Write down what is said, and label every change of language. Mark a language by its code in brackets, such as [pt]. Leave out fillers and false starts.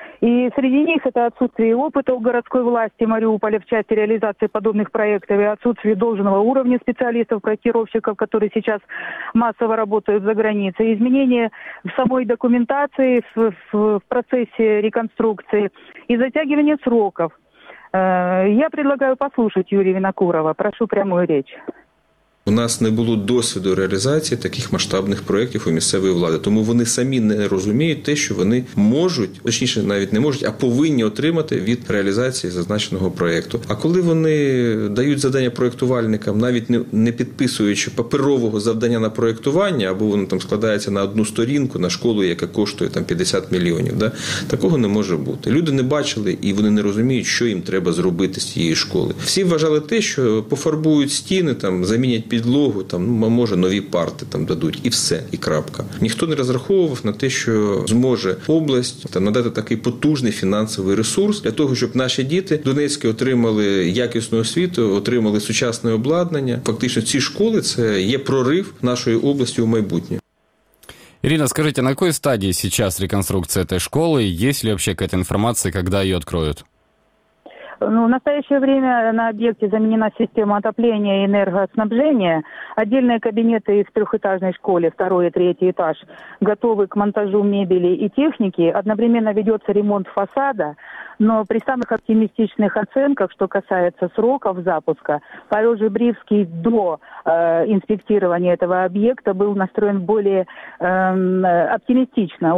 [ru] И среди них это отсутствие опыта у городской власти Мариуполя в части реализации подобных проектов и отсутствие должного уровня специалистов-проектировщиков, которые сейчас массово работают за границей, изменения в самой документации в процессе реконструкции и затягивание сроков. Я предлагаю послушать Юрия Винокурова. Прошу прямую речь. [uk] У нас не було досвіду реалізації таких масштабних проєктів у місцевої влади, тому вони самі не розуміють те, що вони можуть, точніше навіть не можуть, а повинні отримати від реалізації зазначеного проєкту. А коли вони дають завдання проєктувальникам, навіть не підписуючи паперового завдання на проєктування, або воно там складається на одну сторінку, на школу, яка коштує там 50 мільйонів, да? Такого не може бути. Люди не бачили і вони не розуміють, що їм треба зробити з цієї школи. Всі вважали те, що пофарбують стіни, там, замінять підлогу, там, може, нові парти там дадуть, і все, і крапка. Ніхто не розраховував на те, що зможе область там надати такий потужний фінансовий ресурс для того, щоб наші діти донецькі отримали якісну освіту, отримали сучасне обладнання. Фактично, ці школи – це є прорив нашої області у майбутнє. Ірина, скажіть, на якій стадії зараз реконструкція цієї школи? Є ли взагалі якась інформація, коли її відкриють? [ru] В настоящее время на объекте заменена система отопления и энергоснабжения. Отдельные кабинеты в трехэтажной школе, второй и третий этаж, готовы к монтажу мебели и техники. Одновременно ведется ремонт фасада, но при самых оптимистичных оценках, что касается сроков запуска, Павел Жибривский до инспектирования этого объекта был настроен более оптимистично.